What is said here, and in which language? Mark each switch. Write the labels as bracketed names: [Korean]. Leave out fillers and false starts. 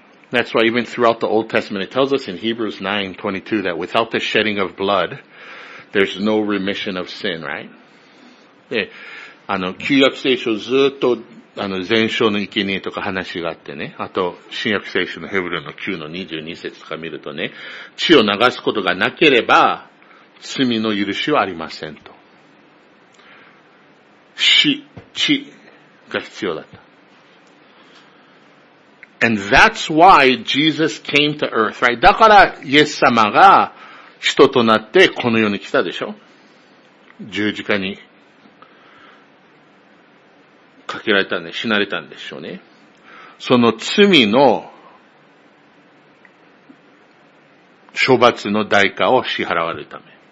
[English] That's why even throughout the Old Testament, it tells us in Hebrews 9:22 that without the shedding of blood, there's no remission of sin, right? [Japanese] で、旧約聖書ずっと、全焼の生贄とか話があってね。あと、新約聖書のヘブルの9の22節とか見るとね、血を流すことがなければ、罪の許しはありませんと。死、血が必要だった。 [English] And that's why Jesus came to earth, right? [Japanese] だから、イエス様が人となってこの世に来たでしょ？十字架にかけられたんで、死なれたんでしょうね。その罪の処罰の代価を支払われるため。